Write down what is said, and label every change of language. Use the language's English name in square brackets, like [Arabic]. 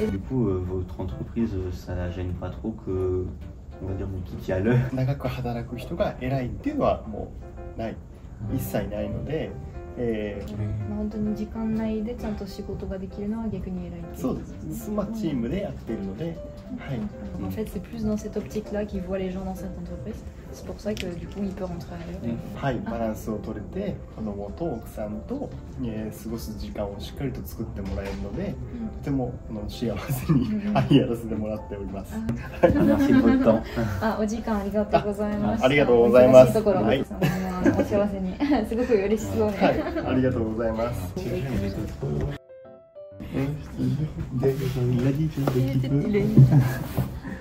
[French] Du coup, votre entreprise, ça ne gêne pas trop que, on va dire, vous quittez à l'heure? [Japanese] 長く働く人が偉いっていうのはもうない、一切ないので、本当に時間内でちゃんと仕事ができるのは逆に偉いです。そうです、スマチームでやってるので。 [French] En fait, c'est plus dans cette optique-là qu'il voit les gens dans cette entreprise. C'est pour ça que du coup, il peut rentrer à l'heure. [Japanese] Oui, balance を取れて、子供と奥さんと過ごす時間をしっかりと作ってもらえるので、とても幸せにやらせてもらっております。 [French] Merci pour le temps. [Japanese] Ah, お時間ありがとうございます。ありがとうございます。忙しいところ、はい、お幸せに。すごく嬉しそうに。はい、ありがとうございます。 [French] Il a dit qu'il était petit peu.